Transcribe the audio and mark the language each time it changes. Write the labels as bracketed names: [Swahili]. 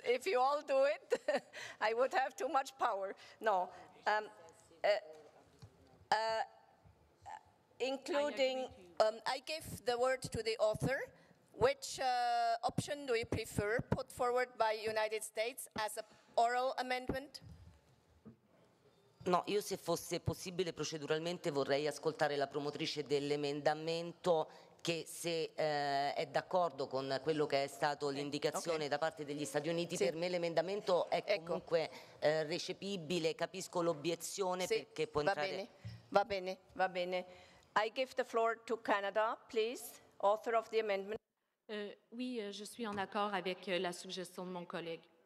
[English] If you all do it, I would have too much power. No. Including, I give the word to the author. Which option do you prefer, put forward by United States as an oral amendment? [Italian] No, io se fosse possibile proceduralmente vorrei ascoltare la promotrice dell'emendamento che se è d'accordo con quello che è stato l'indicazione da parte degli Stati Uniti, per me l'emendamento è comunque recepibile, capisco l'obiezione perché può entrare... Va bene. [English] I give the floor to Canada, please, author of the amendment. [French] Oui, je suis en accord avec la suggestion de mon collègue.